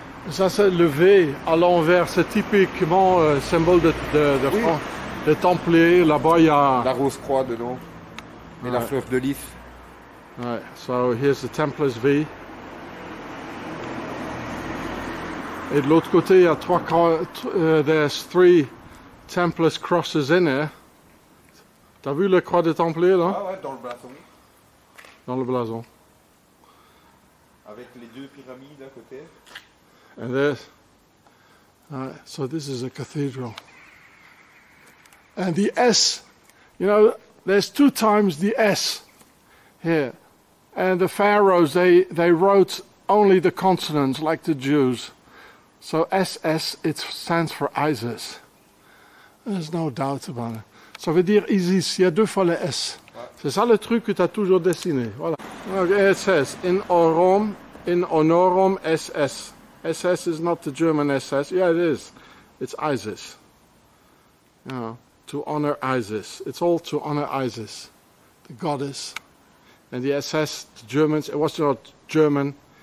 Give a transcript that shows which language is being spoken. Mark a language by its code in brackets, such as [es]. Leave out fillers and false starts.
[fr] Ça c'est levé à l'envers, c'est typiquement symbole de oui. France. Les Templiers, là-bas il y a... La rose croix dedans. Et right. La fleur de lys. [en] Right. So here's the Templar's V. [fr] Et de l'autre côté il y a trois... [en] there's three Templar's crosses in there. [fr] T'as vu le croix des Templiers là? Ah ouais, dans le blason. Dans le blason. Avec les deux pyramides à côté. [en] And this. So this is a cathedral. And the S, you know, there's two times the S here. And the pharaohs, they wrote only the consonants like the Jews. So SS, it stands for Isis. There's no doubt about it. [fr] Ça veut dire Isis, il y a deux fois le S. Ouais. C'est ça le truc que tu as toujours dessiné. Voilà. [en] Okay, it says, in honorum SS. SS is not the German SS. Yeah, it is. It's Isis. You know, to honor Isis. It's all to honor Isis, the goddess. And the SS, the Germans, it was not German.